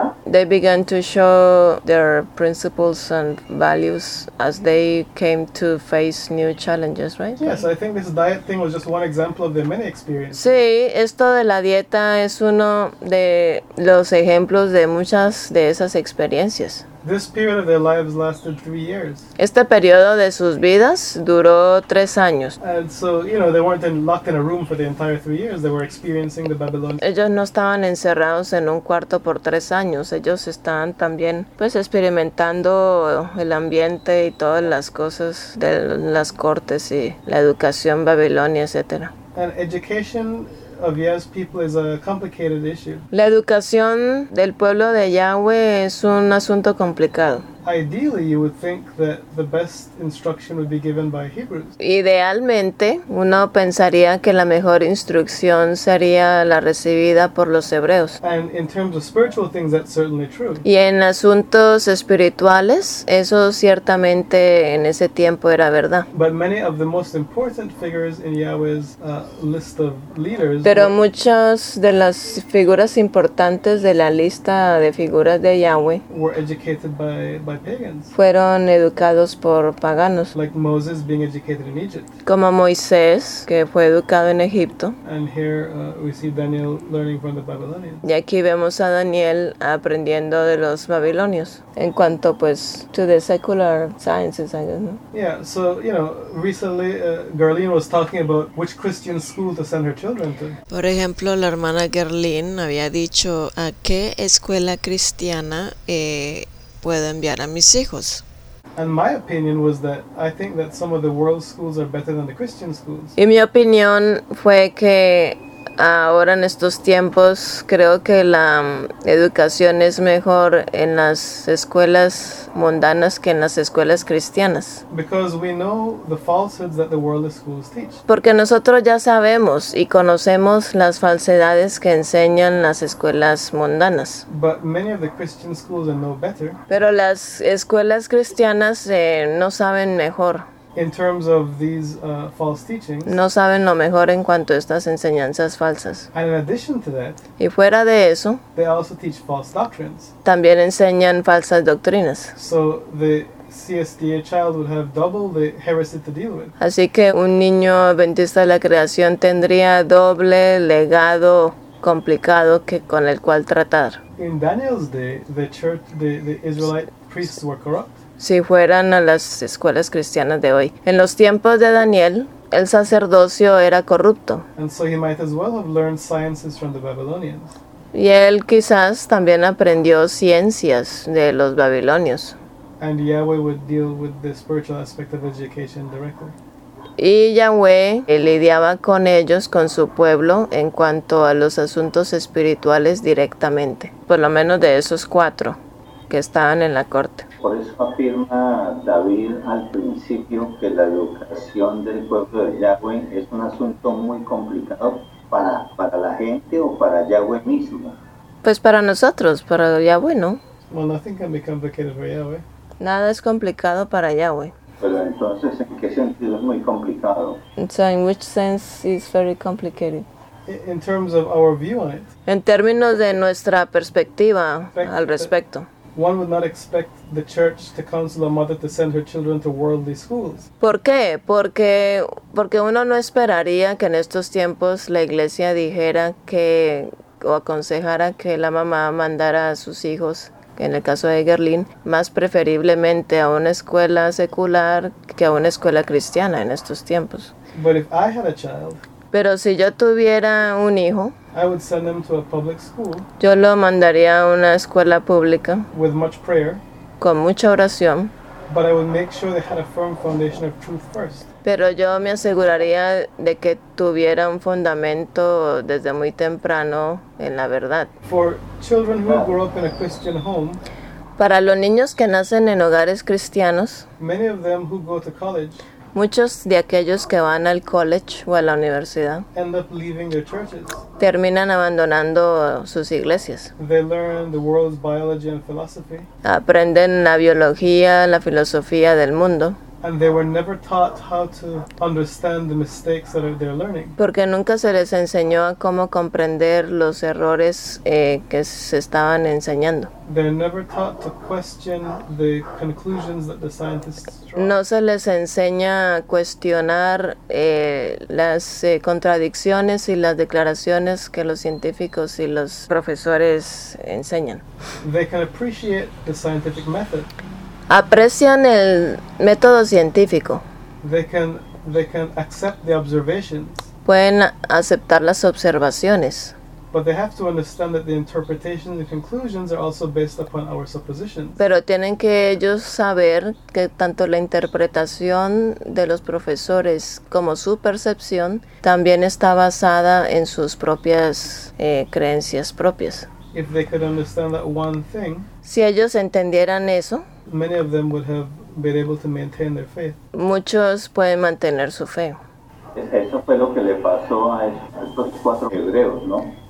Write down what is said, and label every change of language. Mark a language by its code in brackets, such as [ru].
[en] They began to show their principles and values as they came to face new challenges, right? Yes, I think this diet thing was just one example of the many experiences. [es] Sí, esto de la dieta es uno de los ejemplos de muchas de esas experiencias. [en] This period of their lives lasted 3 years. [es] Este periodo de sus vidas duró 3 años. [en] And so, you know, they weren't locked in a room for the entire 3 years. They were experiencing the Babylonian. [es] Ellos no estaban encerrados en un cuarto por 3 años. Ellos estaban también, pues, experimentando el ambiente y todas las cosas de las cortes y la educación babilonia, etc. [en] And education of Yah's people is a complicated issue. [es] La educación del pueblo de Yahweh es un asunto complicado. [en] Ideally, you would think that the best instruction would be given by Hebrews. [es] Idealmente, uno pensaría que la mejor instrucción sería la recibida por los hebreos. [en] And in terms of spiritual things, that's certainly true. [es] Y en asuntos espirituales, eso ciertamente en ese tiempo era verdad. [en] But many of the most important figures in Yahweh's list of leaders. [es] Pero muchas de las figuras importantes de la lista de figuras de Yahweh [en] were educated by pagans. [es] Fueron educados por paganos. [en] Like Moses being educated in Egypt. [es] Como Moisés, que fue educado en Egipto. [en] And here we see Daniel learning from the Babylonians. [es] Y aquí vemos a Daniel aprendiendo de los babilonios. En cuanto pues [en] to the secular sciences, I guess. No? Yeah, so you know, recently Gerlin was talking about which Christian school to send her children to. [es] Por ejemplo, la hermana Gerlin había dicho a qué escuela cristiana puedo enviar a mis hijos. [en] And my opinion was that I think that some of the world schools are better than the Christian schools. [es] Y mi opinión fue que ahora en estos tiempos creo que la educación es mejor en las escuelas mundanas que en las escuelas cristianas. [en] Because we know the falsehoods that the worldly schools teach. [es] Porque nosotros ya sabemos y conocemos las falsedades que enseñan las escuelas mundanas. [en] But many of the Christian schools are no better. [es] Pero las escuelas cristianas no saben mejor. [en] In terms of these false teachings. [es] No saben lo mejor en cuanto a estas enseñanzas falsas. [en] And in addition to that. [es] Y fuera de eso. [en] They also teach false doctrines. [es] También enseñan falsas doctrinas. [en] So the CSDA child would have double the heresy to deal with. [es] Así que un niño adventista de la creación tendría doble legado complicado que con el cual tratar. [en] In Daniel's day, the church, the Israelite priests were corrupt. [es] Si fueran a las escuelas cristianas de hoy. En los tiempos de Daniel, el sacerdocio era corrupto. [en] And so he might as well have learned sciences from the Babylonians. [es] Y él quizás también aprendió ciencias de los babilonios. [en] And Yahweh would deal with the spiritual aspect of education directly. [es] Y Yahweh lidiaba con ellos, con su pueblo, en cuanto a los asuntos espirituales directamente. Por lo menos de esos cuatro que estaban en la corte. Por eso afirma David al principio que la educación del pueblo de Yahweh es un asunto muy complicado para la gente o para Yahweh mismo. Pues para nosotros, para Yahweh, ¿no? [en] Well, nothing can be complicated for Yahweh. [es] Nada es complicado para Yahweh. Pero entonces, ¿en qué sentido es muy complicado? [en] So in which sense is very complicated? In terms of our view on it. [es] En términos de nuestra perspectiva al respecto. [en] One would not expect the church to counsel a mother to send her children to worldly schools. [es] ¿Por qué? Porque uno no esperaría que en estos tiempos la iglesia dijera que o aconsejara que la mamá mandara a sus hijos, en el caso de Gerlín, más preferiblemente a una escuela secular que a una escuela cristiana en estos tiempos. [en] But if I had a child, [es] pero si yo tuviera un hijo, [en] I would send them to a public school, [es] yo lo mandaría a una escuela pública [en] with much prayer, [es] con mucha oración, [en] but I would make sure they had a firm foundation of truth first. [es] Pero yo me aseguraría de que tuviera un fundamento desde muy temprano en la verdad. [en] For children who grow up in a Christian home, [es] para los niños que nacen en hogares cristianos, [en] many of them who go to college, [es] muchos de aquellos que van al college o a la universidad [en] end up leaving their churches, [es] terminan abandonando sus iglesias. [en] They learn the world's biology and philosophy, [es] aprenden la biología, la filosofía del mundo. [en] And they were never taught how to understand the mistakes that they're learning. [es] Porque nunca se les enseñó a cómo comprender los errores que se estaban enseñando. [en] They're never taught to question the conclusions that the scientists draw. [es] No se les enseña a cuestionar las contradicciones y las declaraciones que los científicos y los profesores enseñan. [en] They can appreciate the scientific method. [es] Aprecian el método científico. [en] They can accept the observations. [es] Pueden aceptar las observaciones. [en] But they have to understand that the interpretations and conclusions are also based upon our suppositions. [es] Pero tienen que ellos saber que tanto la interpretación de los profesores como su percepción también está basada en sus propias creencias propias. [en] If they could understand that one thing, [es] si ellos entendieran eso, [en] many of them would have been able to maintain their faith. [es] Muchos pueden mantener su fe. Eso fue lo que le pasó a estos cuatro hebreos, ¿no?